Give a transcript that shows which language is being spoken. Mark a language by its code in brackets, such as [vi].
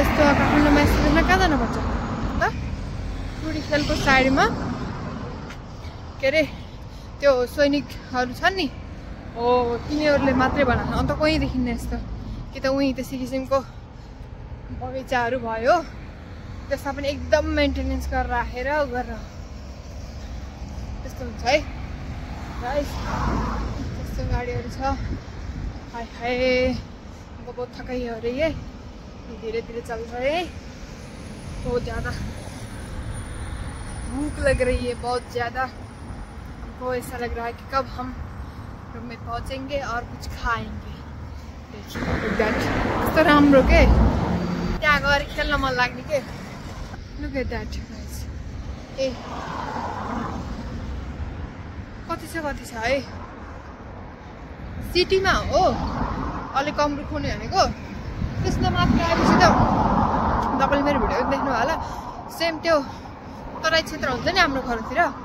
[ne] यस्तो काठमाडौँमा यस्तो दिन कहाँ जानुपर्छ त, टुरी खेलको साइडमा के अरे त्यो सैनिकहरू छन् नि हो, तिनीहरूले मात्रै भन अन्त कहीँ देखिन्न यस्तो, कि त उहीँ त्यस्तै किसिमको बगैँचाहरू भयो त्यसमा पनि एकदम मेन्टेनेन्स गरेर राखेर गरेर त्यस्तो हुन्छ है। त्यस्तो गाडीहरू छ, हाई हाई अब थकाइहरू है, धीरे धीरे चल्छ है, [hi] बहुत ज्यादा भूख लग रही है, बहुत ज्यादा हमको ऐसा लग रहा है कि कब हम रूम में पहुँचेंगे और कुछ खाएंगे। [ne] देखिए राम्रो के त्यहाँ गएर खेल्न मन लाग्ने के, [en] look at that guys, [ne] ए कति छ है, सिटीमा हो अलिक कम रुख हुने भनेको, त्यसमा मात्र आएपछि त तपाईँले मेरो भिडियो देख्नु होला, सेम त्यो तराई क्षेत्र हुन्छ नि हाम्रो घरतिर